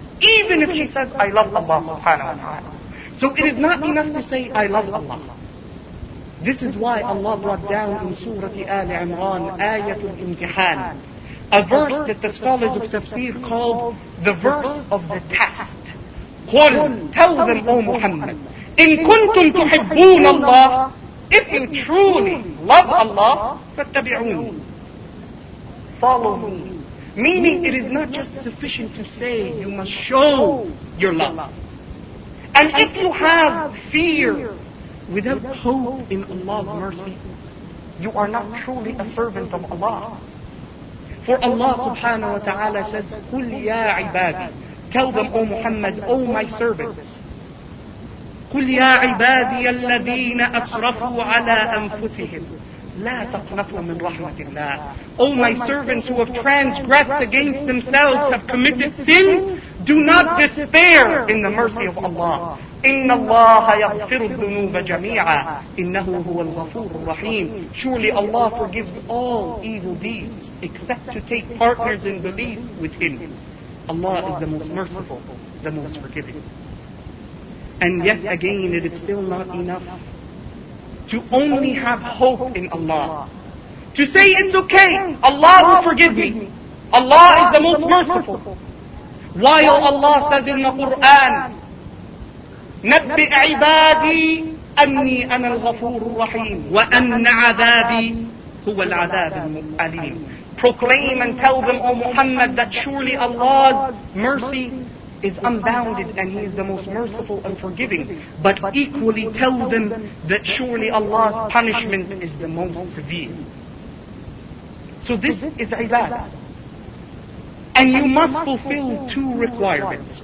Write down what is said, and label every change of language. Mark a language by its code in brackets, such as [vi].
[en] Even if she says, I love Allah subhanahu wa ta'ala. So it is not enough to say, I love Allah. This is why Allah brought down in Surah Al Imran, Ayat al-Imtihan, a verse that the scholars of tafsir called the verse of the test. [ar] قُلْ [en] tell them, O Muhammad, [ar] إِن كُنْتُمْ تُحِبُّونَ اللَّهِ. [en] If you truly love Allah, [ar] فَاتَّبِعُونَ. [en] Follow me. Meaning it is not just sufficient to say, you must show your love. And if you have fear without hope in Allah's mercy, you are not truly a servant of Allah. For Allah subhanahu wa ta'ala says, [ar] قُلْ يَا عِبَادِي. [en] Tell them, O Muhammad, O my servants. [ar] قُلْ يَا عِبَادِيَ الَّذِينَ أَسْرَفُوا عَلَىٰ أَنفُسِهِمْ لَا تَقْنَطُوا مِنْ رَحْمَةِ اللَّهِ. [en] O my servants who have transgressed against themselves, have committed sins, Do not despair in the mercy of Allah. [ar] إن الله يغفر الذنوب جميعا إنه هو الغفور الرحيم. [en] Surely Allah forgives all evil deeds except to take partners in belief with Him. Allah is the most merciful, the most forgiving. And yet again, it is still not enough to only have hope in Allah. To say it's okay, Allah will forgive me. Allah is the most merciful. While Allah says in the Quran, [ar] نبئ عبادي أني أنا الغفور الرحيم وأن عذابي هو العذاب الأليم. [en] Proclaim and tell them, O Muhammad, that surely Allah's mercy is unbounded and He is the most merciful and forgiving. But equally tell them that surely Allah's punishment is the most severe. So this is ibadah. And you must fulfill two requirements.